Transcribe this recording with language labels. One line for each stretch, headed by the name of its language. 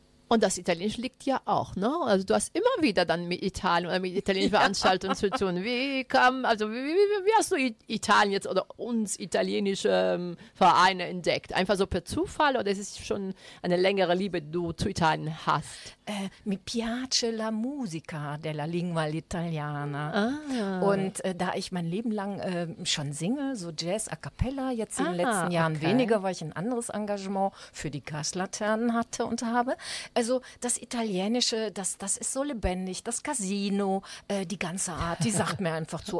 German: Und das Italienische liegt ja auch, ne? Also du hast immer wieder dann mit Italien oder mit italienischen Veranstaltungen zu tun. Wie hast du Italien jetzt oder uns italienische Vereine entdeckt? Einfach so per Zufall oder ist es schon eine längere Liebe, die du zu Italien hast?
Italian: Mi piace la musica della lingua italiana. Ah.
German: Und da ich mein Leben lang schon singe, so Jazz a cappella, jetzt in den letzten Jahren weniger, weil ich ein anderes Engagement für die Gaslaternen hatte und habe. Also das Italienische, das ist so lebendig, das Casino, die ganze Art, die sagt mir einfach zu.